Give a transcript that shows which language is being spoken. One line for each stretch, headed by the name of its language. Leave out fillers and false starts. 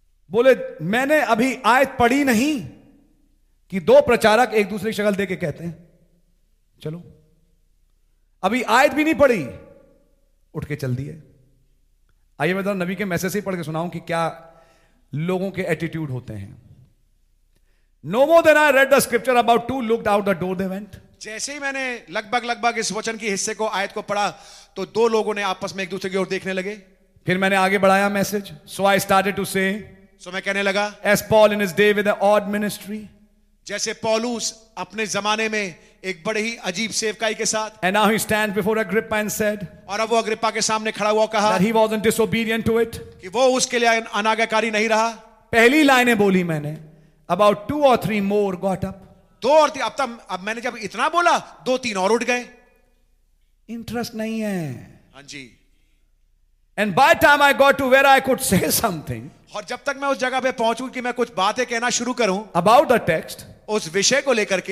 Hindi: बोले मैंने अभी आयत पढ़ी नहीं कि दो प्रचारक एक दूसरे की शक्ल देके कहते हैं चलो. अभी आयत भी नहीं पढ़ी, उठ के चल दिए. आइए मैं जरा नबी के मैसेज से ही पढ़ के सुनाऊं कि क्या लोगों के एटीट्यूड होते हैं.
English: No more than I read the scripture about two looked out the door they went.
Hindi: जैसे ही मैंने लगभग इस वचन के हिस्से को आयत को पढ़ा तो दो लोगों ने आपस में एक दूसरे की ओर देखने लगे. फिर मैंने आगे बढ़ाया message.
English: So I started to say.
Hindi: So मैं कहने लगा.
English: As Paul in his day with an odd ministry.
Hindi: जैसे पौलुस अपने जमाने में एक बड़े ही अजीब सेवकाई के साथ.
English: And now he stands before Agrippa and said.
Hindi: और अब वो अग्रिप्पा के सामने खड़ा हुआ कहा.
English: That he wasn't disobedient to it.
Hindi: कि वो उसके लिए अनागाकारी नहीं रहा. पहली लाइनें बोली मैंने.
English: About two or three more got up.
Hindi: दो और तीन, अब मैंने जब इतना बोला दो तीन और उठ गए. इंटरेस्ट नहीं है. हाँ जी.
English: And by time I got to where I could say something.
Hindi: और जब तक मैं उस जगह पे पहुंचूं कि मैं कुछ बातें कहना शुरू करूं
English: about the text,
Hindi: उस विषय को लेकर के,